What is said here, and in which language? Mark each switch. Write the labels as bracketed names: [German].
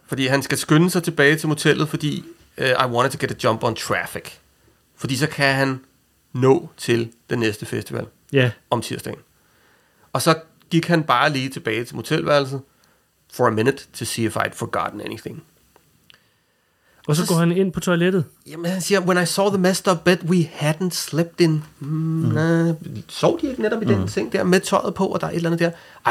[Danish] Fordi han skal skynde sig tilbage til motellet, fordi [English] I wanted to get a jump on traffic. [Danish] Fordi så kan han nå til den næste festival. Ja. Om tirsdagen. Og så gik han bare lige tilbage til motelværelset [English] for a minute to see if I'd forgotten anything. [Danish] Og så går han ind på toilettet. Jamen han siger, [English] when I saw the messed up bed, we hadn't slept in. [Danish] Sov de ikke netop i den seng der, med tøjet på, og der er et eller andet der.